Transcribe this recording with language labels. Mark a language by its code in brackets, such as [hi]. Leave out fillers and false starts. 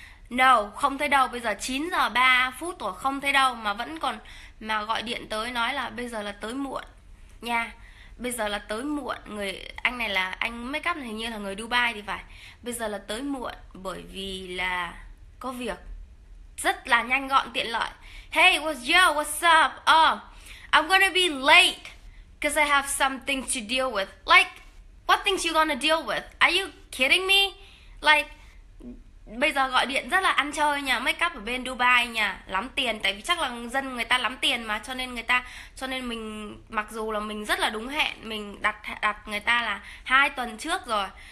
[vi] No, không thấy đâu, bây giờ 9 giờ 3 phút rồi không thấy đâu mà vẫn còn mà gọi điện tới nói là bây giờ là tới muộn nha. Bây giờ là tới muộn, người anh này là anh make up này hình như là người Dubai thì phải. Bây giờ là tới muộn bởi vì là có việc. Rất là nhanh gọn tiện lợi. [en] Hey, what's yo? What's up? Oh, I'm gonna be late because I have something to deal with. Like, what things you gonna deal with? Are you kidding me? [vi] Like, bây giờ gọi điện rất là ăn chơi nha, make up ở bên Dubai nha, lắm tiền. Tại vì chắc là dân người ta lắm tiền mà, cho nên mình mặc dù là mình rất là đúng hẹn, mình đặt đặt người ta là 2 tuần trước rồi.